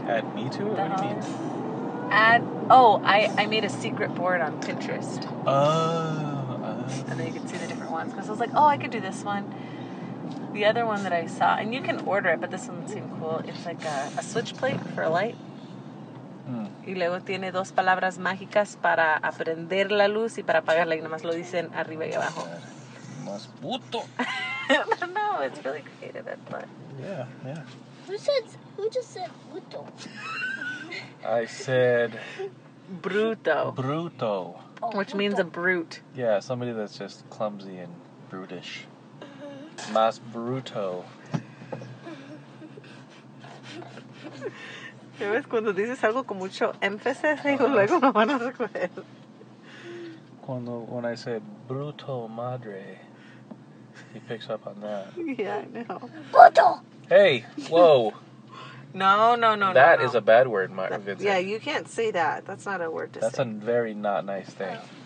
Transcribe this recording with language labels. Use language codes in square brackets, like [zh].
[en] Add me to it? What do you mean? I made a secret board on Pinterest. Oh. And then you can see the different ones. Because I was like, oh, I could do this one. The other one that I saw, and you can order it, but this one seemed cool. It's like a switch plate for a light. [es] Y luego tiene dos palabras mágicas para aprender la luz y para apagarla. Y nomás lo dicen arriba y abajo. Más puto. [en] No, it's really creative. But... Yeah, yeah. Who just said puto? I said... [es] Bruto. Bruto. [en] Which bruto. Means a brute. Yeah, somebody that's just clumsy and brutish. [es] Más bruto. ¿Ya ves? Cuando dices algo con mucho énfasis, digo, luego lo van a recoger. [en] Cuando, when I say bruto madre, he picks up on that. Yeah, I know. [es] Bruto! [en] Hey, whoa! No. That is a bad word, Vincent. Yeah, you can't say that. That's not a word to that's say. That's a very not nice thing.